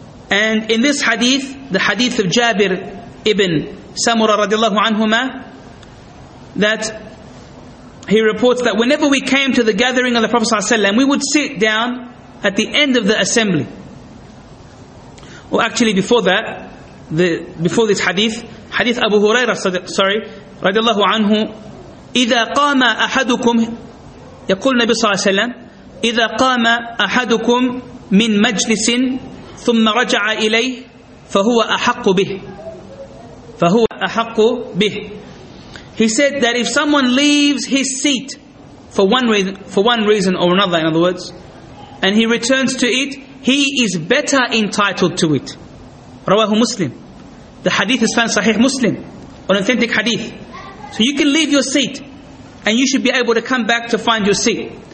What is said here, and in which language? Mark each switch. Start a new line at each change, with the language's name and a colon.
English: And in this hadith, the hadith of Jabir ibn Samura radiallahu anhuma, that he reports that whenever we came to the gathering of the Prophet sallallahu alaihi wasallam, we would sit down at the end of the assembly. Or actually before that, before this hadith Abu Hurairah, radiallahu anhu,
Arabic: إِذَا قَامَ أَحَدُكُمْ, يَقُلْ نَبِي صَلَى اللَّهُ عَلَيْهِ وَسَلَّمَ, إِذَا قَامَ أَحَدُكُمْ مِنْ مَجْلِسٍ ثُمَّ رَجَعَ إِلَيْهِ فَهُوَ أَحَقُّ بِهِ فَهُوَ أَحَقُّ بِهِ.
English: He said that if someone leaves his seat for one reason or another, in other words, and he returns to it, he is better entitled to it. Rawahu Muslim. The hadith is found Sahih Muslim, an authentic hadith. So you can leave your seat, and you should be able to come back to find your seat.